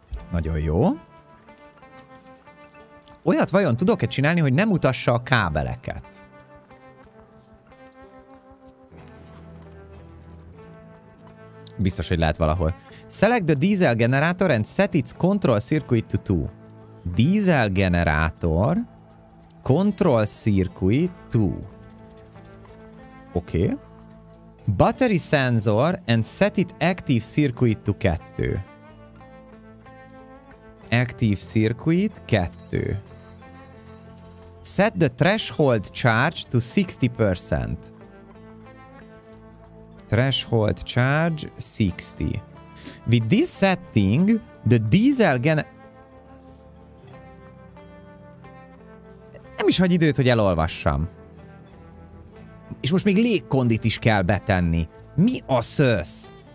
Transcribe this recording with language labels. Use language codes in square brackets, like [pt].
[hu] Nagyon jó. Olyat vajon tudok-e csinálni, hogy nem utassa a kábeleket? B- biztos, hogy lehet valahol. [en] Select the diesel generator and set its control circuit to 2. Diesel generator, control circuit 2. Oké. Okay. Battery sensor and set it active circuit to 2. Active circuit 2. Set the threshold charge to 60%. Threshold charge 60. With this setting, the diesel [hu] nem is hagy időt, hogy elolvassam. És most még légkondit is kell betenni. Mi a szösz?